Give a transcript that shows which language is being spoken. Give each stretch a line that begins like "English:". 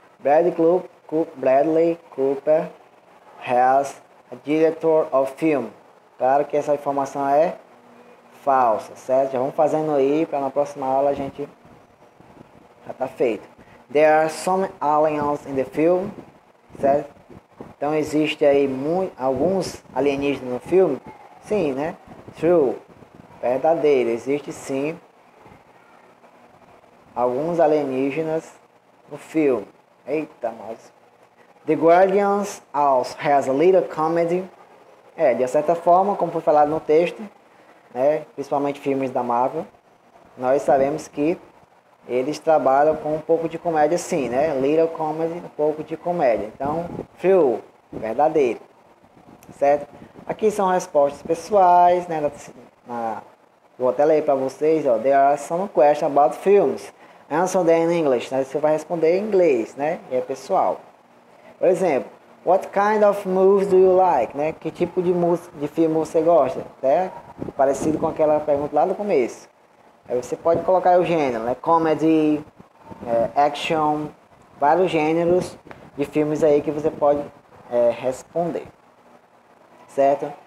English: Bradley Cooper has a director of film.
Portuguese: Claro que essa informação é falsa, certo? Já vamos fazendo aí para na próxima aula a gente. Já tá feito.
English: There are some aliens in the film, certo?
Portuguese: Então existe aí alguns alienígenas no filme? Sim, né? True. Verdadeiro. Existe sim alguns alienígenas no filme. Eita, mas.
English: The Guardians also has a little comedy.
Portuguese: É, de certa forma, como foi falado no texto, né? Principalmente filmes da Marvel, nós sabemos que eles trabalham com um pouco de comédia, sim, né?
English: Little comedy,
Portuguese: um pouco de comédia. Então, true, verdadeiro. Certo? Aqui são respostas pessoais, né? Vou até ler para vocês, ó.
English: There are some questions about films. Answer them in English. Né?
Portuguese: Você vai responder em inglês, né? E é pessoal. Por exemplo,
English: what kind of movies do you like?
Portuguese: Né? Que tipo de filme você gosta? Né? Parecido com aquela pergunta lá do começo. Aí você pode colocar o gênero, né? Comedy, action, vários gêneros de filmes aí que você pode responder. Certo?